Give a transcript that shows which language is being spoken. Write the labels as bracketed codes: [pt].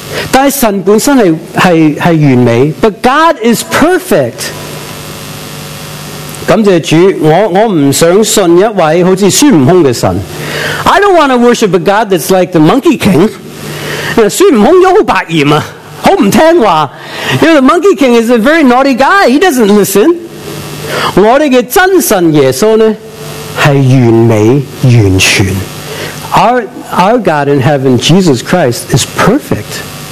[yue] 但系神本身系完美 ， [en] but God is perfect。 [yue] 感谢主，我唔想信一位好似孙悟空嘅神。 [en] I don't want to worship a God that's like the Monkey King。 [yue] 孙悟空都好白严啊，好唔听话。 [en] You know, the Monkey King is a very naughty guy. He doesn't listen. [yue] 我哋嘅真神耶稣呢系完美完全。 [en] Our God in heaven, Jesus Christ, is perfect.